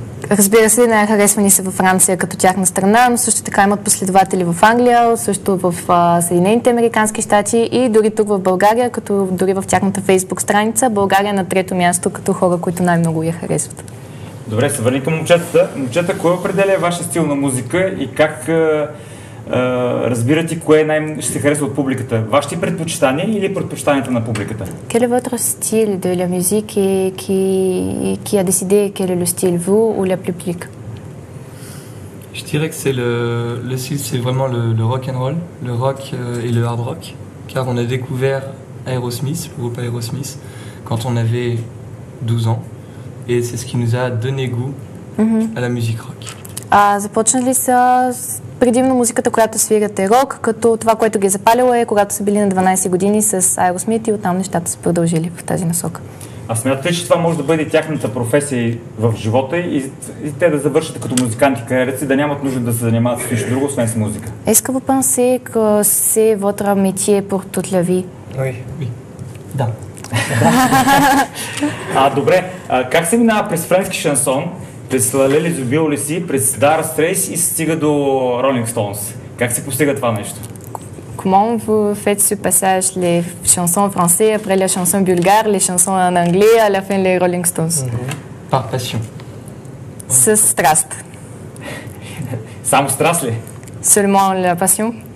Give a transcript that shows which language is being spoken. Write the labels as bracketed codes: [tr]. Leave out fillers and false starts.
[bg] Разбира се, най-харесвани са във Франция като тяхна страна, но също така имат последователи в Англия, също в Съединените американски щати и дори тук в България, като дори в тяхната фейсбук страница. България на трето място като хора, които най-много я харесват. Добре, се върни към момчетата. Момчета, кой определя вашия стил на музика и как разбирате кое ще се хареса от публиката? Вашите предпочитания или предпочитанията на публиката? [fr] Quel est votre style de la musique qui a décidé quel est le style, vous ou la public? Je dirais que c'est le style, c'est vraiment le rock and roll, le rock et le hard rock, car on a découvert Aerosmith, le groupe Aerosmith, quand on avait 12 ans, et c'est ce qui nous a donné goût à la musique rock. [bg] Започнали са предимно музиката, която свирят е рок, като това, което ги е запалило е, когато са били на 12 години с Aerosmith, и оттам нещата са продължили в тази насока. А смятате ли, че това може да бъде тяхната професия в живота и те да завършат като музиканти кариерата си, да нямат нужда да се занимават с нищо друго, освен с музика? [fr] Est-ce que vous pensez que c'est votre métier pour toute la vie? Oui. [bg] Да. А, добре, как се минава през френски шансон, през Лалели Зубил ли си, през Дар Стрейс и се стига до Ролинг Стоунс? Как се постига това нещо? [fr] Comment vous faites ce passage, les chansons françaises, après les chansons bulgares, les chansons en anglais, à la fin les Rolling Stones? Mm-hmm. Par passion. C'est strast. Sam strast, les? Seulement la passion?